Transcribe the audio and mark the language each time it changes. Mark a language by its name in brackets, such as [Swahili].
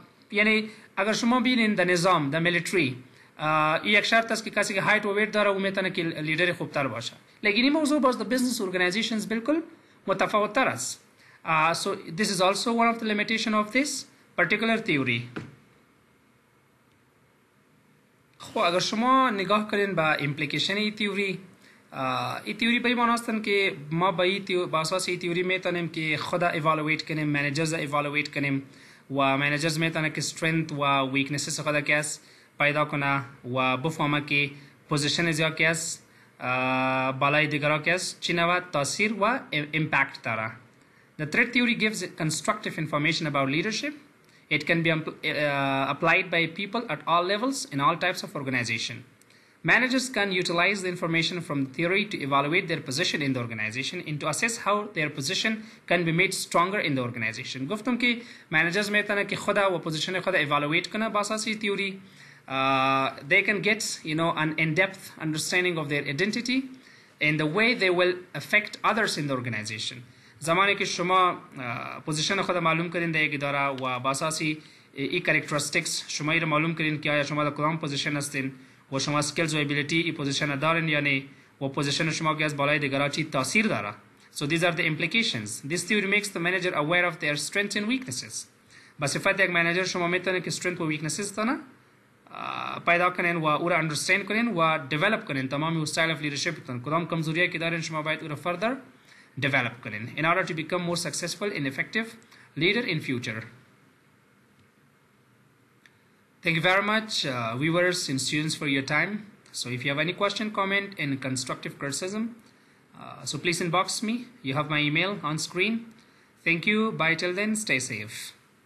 [Persian] یعنی اگر شما بینین the نظام, [English] the military, [Persian] ای یک شرط است که کسی که height و weight داره و میتونه که leader خوب تر باشه. لیکن این موضوع باز [English] the business organizations [Persian] بالکل متفاوت تر است. [English] So this is also one of the limitation of this particular theory. [Persian] خب اگر شما نگاه کنین به implication ای تیوری به این معنی هستن که ما به اساس ای تیوری میتونیم که خود evaluate کنیم، managers evaluate کنیم و managers میتونه که strength و weaknesses خود که است پیدا کنه و بفهمه که پوزیشن از یا که است بالای دیگر که است چی نوه تاثیر و امپکت داره. [English] The threat theory gives constructive information about leadership. It can be applied by people at all levels in all types of organization. Managers can utilize the information from the theory to evaluate their position in the organization and to assess how their position can be made stronger in the organization. [Persian] گفتم که managers میتونه که خدا و پوزیشن خدا evaluate کنه باساسی تیوری. [English] They can get, you know, an in-depth understanding of their identity and the way they will affect others in the organization. [Persian] زمانی که شما پوزیشن خود معلوم کردین در یک اداره و باساسی ای کریکترستیکس شما ای را معلوم کردین که آیا شما در کدام پوزیشن هستین و شما سکلز و ابیلیتی ای پوزیشن دارین یا نه و پوزیشن شما که از بالای دیگر چی تاثیر داره. [English] So these are the implications. This theory makes the manager aware of their strengths and weaknesses. [Persian] با صفت یک منیجر شما میتونه که strength و weaknesses تانه پیدا کنین و او را understand کنین و develop کنین تمامی [English] style of leadership [Persian] کنین کدام کمزوریه که دارین شما باید او را [English] further develop [Persian] کنین [English] in order to become more successful and effective leader in future. Thank you very much viewers and students for your time. So if you have any question, comment and constructive criticism, so please inbox me. You have my email on screen. Thank you. Bye till then. Stay safe.